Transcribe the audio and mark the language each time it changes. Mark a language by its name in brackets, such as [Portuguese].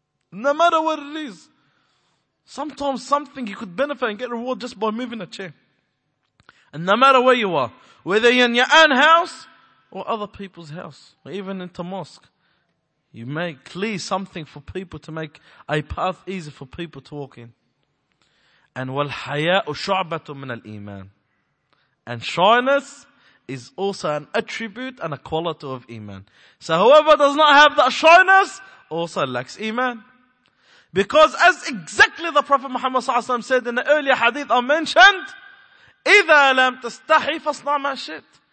[English] No matter what it is. Sometimes something you could benefit and get reward just by moving a chair. And no matter where you are, whether you're in your own house or other people's house, or even into mosque, you may clear something for people to make a path easy for people to walk in. And [Arabic] وَالْحَيَاءُ شُعْبَةٌ مِّنَ الْإِيمَانِ. [English] And shyness is also an attribute and a quality of Iman. So whoever does not have that shyness also lacks Iman. Because as exactly the Prophet Muhammad sallallahu alaihi wasallam said in the earlier hadith I mentioned, [Arabic] إِذَا لَمْ تَسْتَحِي فَاصْنَعْ مَا شِئْتَ.